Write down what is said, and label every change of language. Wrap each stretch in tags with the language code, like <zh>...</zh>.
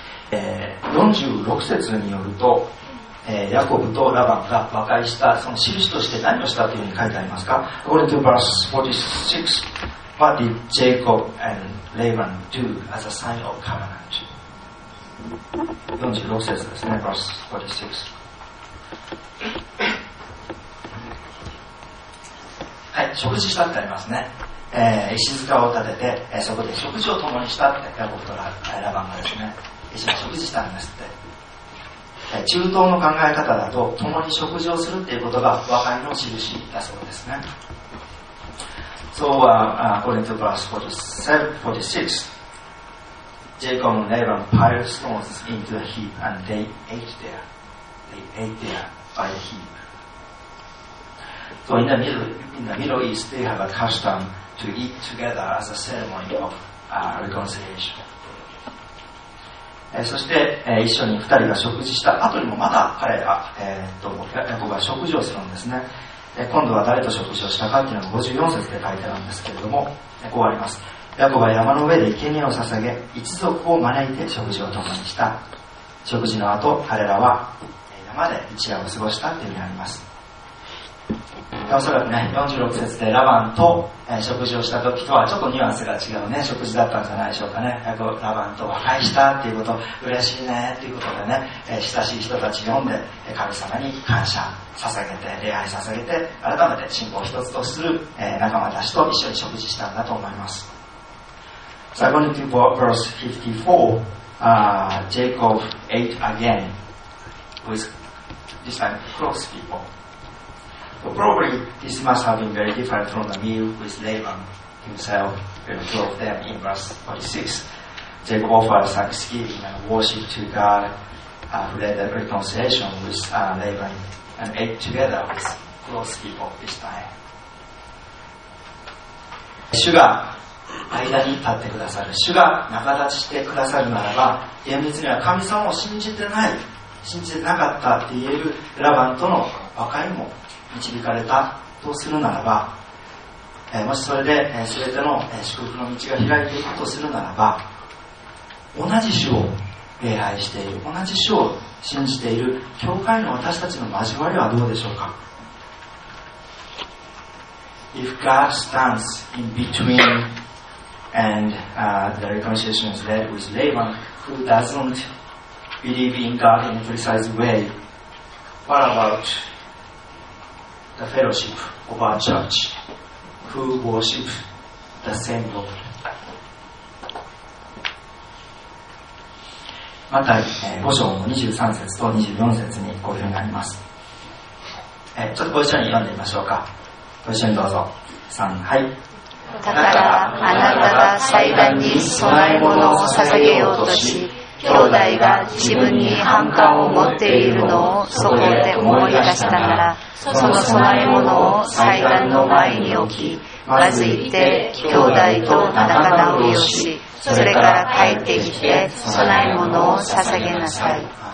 <ja>46節によると、ヤコブとラバンが和解したその印として何をしたというふうに書いてありますか。</ja> <en>According to verse 46, what did Jacob and Laban do as a sign of covenant?</en> <ja>46 節ですね、</ja> <en>verse 46</en> <ja>はい、食事したってありますね。石塚を建てて、そこで食事を共にしたって、ヤコブとラバンがですね、一緒に食事したんですって。中東の考え方だと、共に食事をするっていうことが和解の印だそうですね。</ja> <en>So, according to verse 46, Jacob and Laban piled stones into a heap and they ate there. They ate there by the heap. So in the Middle East, they have a custom to eat together as a ceremony of reconciliation.</en> <ja>そして、一緒に二人が食事した後にもまた彼ら、ヤコブは食事をするんですね。今度は誰と食事をしたかというのが54節で書いてあるんですけれども、こうあります。ヤコブは山の上で生贄を捧げ、一族を招いて食事を共にした。食事の後、彼らは山で一夜を過ごしたというふうにあります。おそらくね、46節でラバンと、食事をした時とはちょっとニュアンスが違うね、食事だったんじゃないでしょうかね。ラバンと和解したっていうこと、嬉しいねっていうことでね、親しい人たち呼んで、神様に感謝捧げて、礼拝捧げて、改めて信仰を一つとする、仲間たちと一緒に食事したんだと思います。</ja> <en>So according to verse 54, Jacob ate again with this time close people. So probably this must have been very different from the meal with Laban himself, and two of them in verse 46. Jacob offered thanksgiving and worship to God, led the reconciliation with Laban, and ate together with close people this time.</en> <ja>主が間に立ってくださる、主が仲立ちしてくださるならば、厳密には神様を信じてない、信じてなかったって言えるラバンとの和解も導かれたとするならば、もしそれで全ての祝福の道が開いていくとするならば、同じ主を礼拝している、同じ主を信じている教会の私たちの交わりはどうでしょうか。</ja> <en>If God stands in between and the reconciliation is led with Laban, who doesn't believe in God in a precise way, what about the fellowship of our church who worship the same Lord?</en> <ja>また、5章の23節と24節にこういうふうになります。ちょっとご一緒に読んでみましょうか。ご一緒にどうぞ。3、はい。だからあなたは祭壇に供え物を捧げようとし、兄弟が自分に反感を持っているのをそこで思い出しながら、その供え物を祭壇の前に置き、まず行って兄弟と仲直りをし、それから帰ってきて供え物を捧げなさい。</ja>